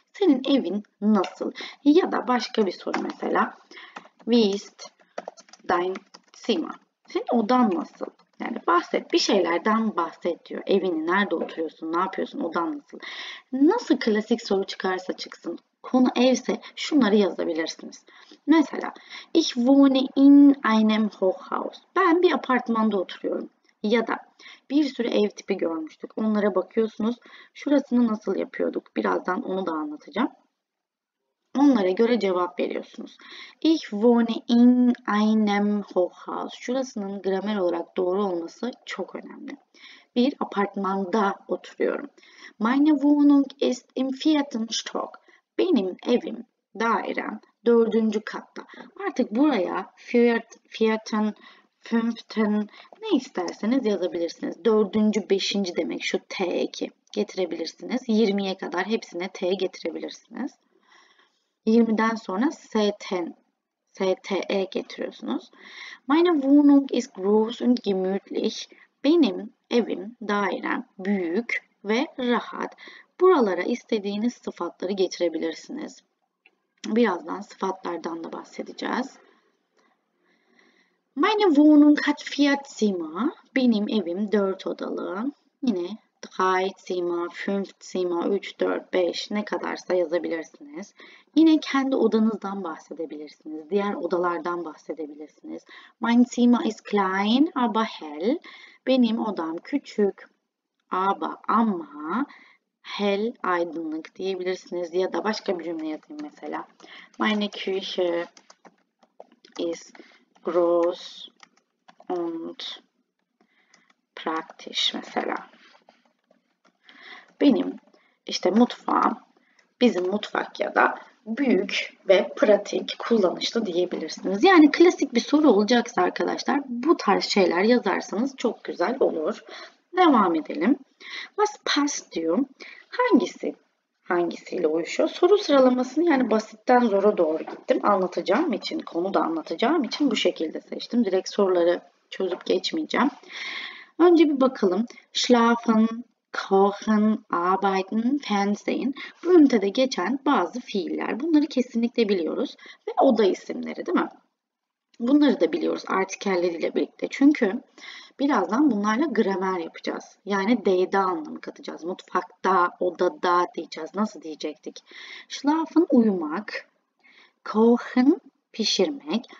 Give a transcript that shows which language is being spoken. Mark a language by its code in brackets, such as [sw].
[tr] Senin evin nasıl? Ya da başka bir soru mesela. [de] Wie ist dein Zimmer? [tr] Senin odan nasıl? Yani bahset, bir şeylerden bahset diyor. Evini nerede oturuyorsun, ne yapıyorsun, odan nasıl? Nasıl klasik soru çıkarsa çıksın. Konu evse şunları yazabilirsiniz. [de] Mesela, Ich wohne in einem Hochhaus. [tr] Ben bir apartmanda oturuyorum. Ya da bir sürü ev tipi görmüştük. Onlara bakıyorsunuz. Şurasını nasıl yapıyorduk? Birazdan onu da anlatacağım. Onlara göre cevap veriyorsunuz. [de] Ich wohne in einem Hochhaus. [tr] Şurasının gramer olarak doğru olması çok önemli. Bir apartmanda oturuyorum. [de] Meine Wohnung ist im vierten Stock. [tr] Benim evim, dairem, dördüncü katta. Artık buraya [de] vierten, fünften [tr] ne isterseniz yazabilirsiniz. Dördüncü, beşinci demek şu T2 getirebilirsiniz. 20'ye kadar hepsine T getirebilirsiniz. 20'den sonra ST, STE getiriyorsunuz. [de] Meine Wohnung ist groß und gemütlich. [tr] Benim evim, dairem büyük ve rahat. Buralara istediğiniz sıfatları getirebilirsiniz. Birazdan sıfatlardan da bahsedeceğiz. [de] Meine Wohnung hat vier Zimmer. [tr] Benim evim 4 odalı. Yine 3 Zimmer, 5 Zimmer, 3, 4, 5 ne kadarsa yazabilirsiniz. Yine kendi odanızdan bahsedebilirsiniz. Diğer odalardan bahsedebilirsiniz. [de] Mein Zimmer ist klein, aber hell. [tr] Benim odam küçük. Ama hell, aydınlık diyebilirsiniz ya da başka bir cümle yazayım mesela. [de] Meine Küche ist groß und praktisch mesela. [tr] Benim işte mutfağım, bizim mutfak ya da büyük ve pratik, kullanışlı diyebilirsiniz. Yani klasik bir soru olacaksa arkadaşlar bu tarz şeyler yazarsanız çok güzel olur. Devam edelim. [de] Was passt [tr] diyor. Hangisi hangisiyle uyuşuyor? Soru sıralamasını yani basitten zora doğru gittim. Anlatacağım için, konu da anlatacağım için bu şekilde seçtim. Direkt soruları çözüp geçmeyeceğim. Önce bir bakalım. [de] Schlafen, kochen, arbeiten, fernsehen. [tr] Bu ünitede geçen bazı fiiller. Bunları kesinlikle biliyoruz. Ve oda isimleri, değil mi? Bunları da biliyoruz artikelleriyle birlikte. Çünkü birazdan bunlarla gramer yapacağız. Yani D'de anlamı katacağız. Mutfakta, odada diyeceğiz. Nasıl diyecektik? Schlafen uyumak. Kochen pişirmek.